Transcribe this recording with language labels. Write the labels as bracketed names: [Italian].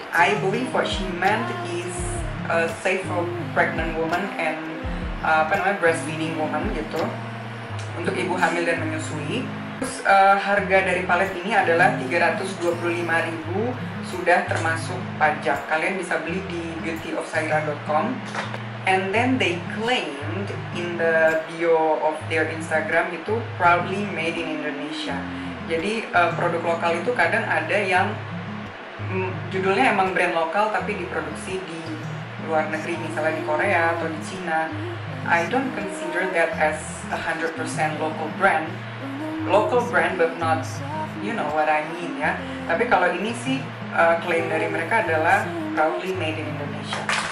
[English] I believe what she meant is safe for pregnant woman and breastfeeding woman, gitu. [Indonesian] Untuk ibu hamil dan menyusui. Terus harga dari palet ini adalah Rp325.000 sudah termasuk pajak. Kalian bisa beli di beautyofsaira.com. [English] And then they claimed in the bio of their Instagram itu proudly made in Indonesia. [Indonesian] Jadi produk lokal itu kadang ada yang judulnya emang brand lokal tapi diproduksi di luar negeri, misalnya di Korea atau di Cina. [English] I don't consider that as 100% local brand. Local brand but not, you know what I mean ya. [Indonesian] Tapi kalau ini sih klaim dari mereka adalah [English] proudly made in Indonesia.